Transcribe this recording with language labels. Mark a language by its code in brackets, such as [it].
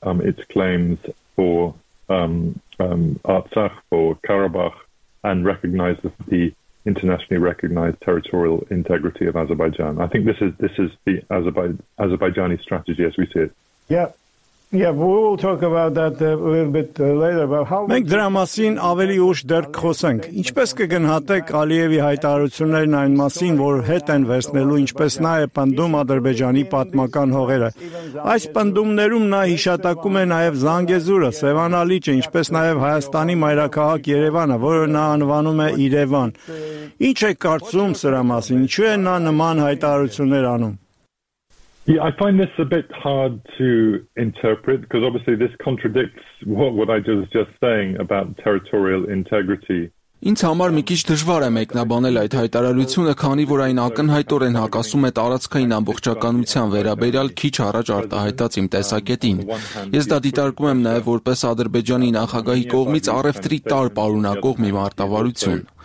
[en] Its claims for Artsakh, for Karabakh, and recognizes the internationally recognized territorial integrity of Azerbaijan. I think this is the Azerbaijani strategy as we see it. Yeah. Yeah, we will talk about that a little bit later. But how? [hy] Մենք դրա մասին ավելի ուշ դեռ կխոսենք։ Ինչպես կգնահատեք Ալիևի հայտարարություններն այն մասին, որ հետ են վերցնելու, ինչպես նա է պնդում, Ադրբեջանի պատմական հողերը։ Այս պնդումներում նա հիշատակում է նաև Զանգեզուրը, Սևանա լիճը, ինչպես նաև Հայաստանի մայրաքաղաք Երևանը, որը նա անվանում է Իրևան։ Ինչ է կարծում սրա մասին, ինչու է նա նման հայտարարություններ անում։ [en] Yeah, I find this a bit hard to interpret because obviously this contradicts what I was just saying about territorial integrity. [hy] Ինձ համար մի քիչ դժվար է մեկնաբանել այդ հայտարարությունը, քանի որ այն ակնհայտորեն հակասում է տարածքային ամբողջականության վերաբերյալ քիչ առաջ արտահայտած իմ տեսակետին։ Ես դա դիտարկում եմ նաև որպես Ադրբեջանի նախագահի կողմից առևտրի տար պարունակող մի մարտավարություն։